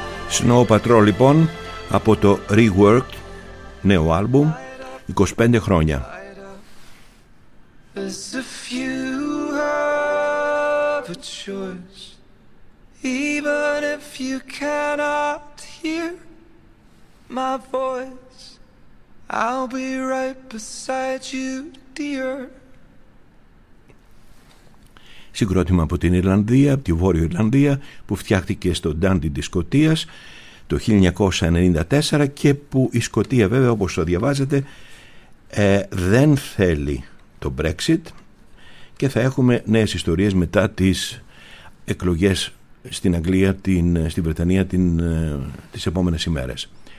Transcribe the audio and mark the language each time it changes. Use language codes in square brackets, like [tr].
[el] Snow Patrol λοιπόν από το Reworked, νέο άλμπουμ, 25 χρόνια. [en] As if you have a choice, even if you cannot hear my voice, I'll be right beside you, dear. [el] Συγκρότημα από την Ιρλανδία, από τη Βόρεια Ιρλανδία, που φτιάχτηκε στο Dundee της Σκωτίας το 1994 και που η Σκωτία βέβαια, όπως το διαβάζετε, δεν θέλει το Brexit, και θα έχουμε νέες ιστορίες μετά τις εκλογές στην Αγγλία, στη Βρετανία, τις επόμενες ημέρες.